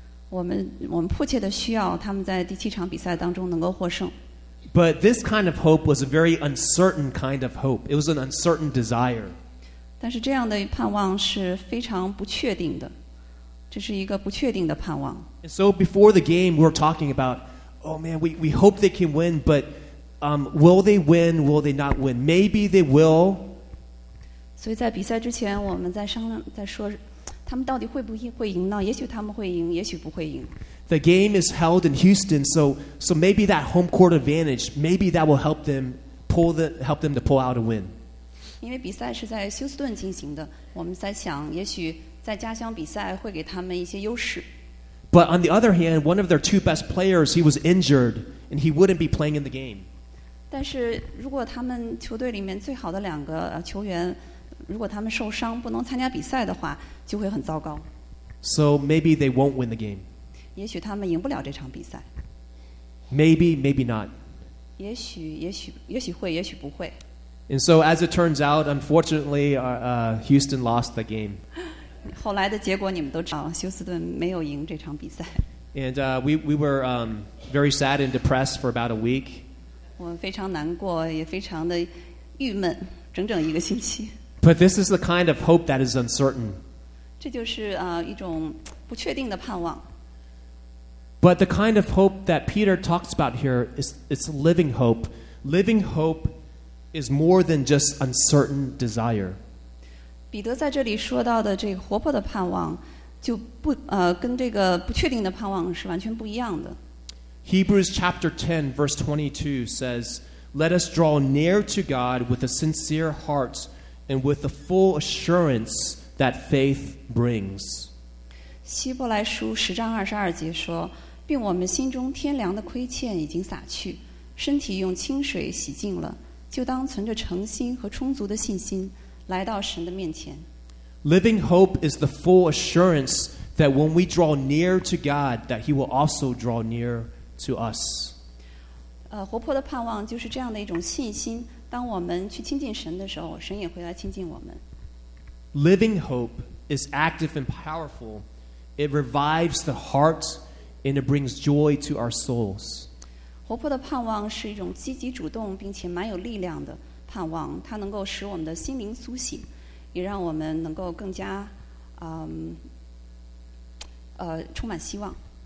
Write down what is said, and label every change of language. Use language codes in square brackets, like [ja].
[zh] 我们迫切的需要他们在第七场比赛当中能够获胜。 [en] But this kind of hope was a very uncertain kind of hope. It was an uncertain desire. [zh] 但是这样的盼望是非常不确定的。这是一个不确定的盼望。 [en] And so before the game, we were talking about, oh man, we hope they can win, but will they win? Will they not win? Maybe they will. [zh] 所以在比赛之前，我们在商量，在说，他们到底会赢呢？也许他们会赢，也许不会赢。 [en] The game is held in Houston, so maybe that home court advantage, maybe that will help them to pull out a win. [zh] 因为比赛是在休斯顿进行的，我们在想，也许。在家乡比赛会给他们一些优势。 [en] But on the other hand, one of their two best players, he was injured, and he wouldn't be playing in the game. [zh] 但是如果他们球队里面最好的两个球员，如果他们受伤不能参加比赛的话，就会很糟糕。 [en] So maybe they won't win the game. [zh] 也许他们赢不了这场比赛。 [en] Maybe, maybe not. [zh] 也许会，也许不会。 [en] And so as it turns out, unfortunately, Houston lost the game. [zh] 后来的结果你们都知道，休斯顿没有赢这场比赛。 [en] And we were very sad and depressed for about a week. [zh] 我非常难过，也非常的郁闷，整整一个星期。 [en] But this is the kind of hope that is uncertain. [zh] 这就是一种不确定的盼望。 [en] But the kind of hope that Peter talks about here is living hope. Living hope is more than just uncertain desire. [zh] 彼得在这里说到的这个活泼的盼望，就不跟这个不确定的盼望是完全不一样的。 [en] Hebrews chapter 10 verse 22 says, "Let us draw near to God with a sincere heart and with the full assurance that faith brings." [zh] 希伯来书十章二十二节说，并我们心中天良的亏欠已经洒去，身体用清水洗净了，就当存着诚心和充足的信心。来到神的面前。 [en] Living hope is the full assurance that when we draw near to God, that He will also draw near to us. [zh] 活泼的盼望就是这样的一种信心，当我们去亲近神的时候，神也会来亲近我们。 [en] Living hope is active and powerful. It revives the heart and it brings joy to our souls. [zh] 活泼的盼望是一种积极主动并且蛮有力量的盼望，它能够使我们的心灵苏醒，也让我们能够更加充满希望。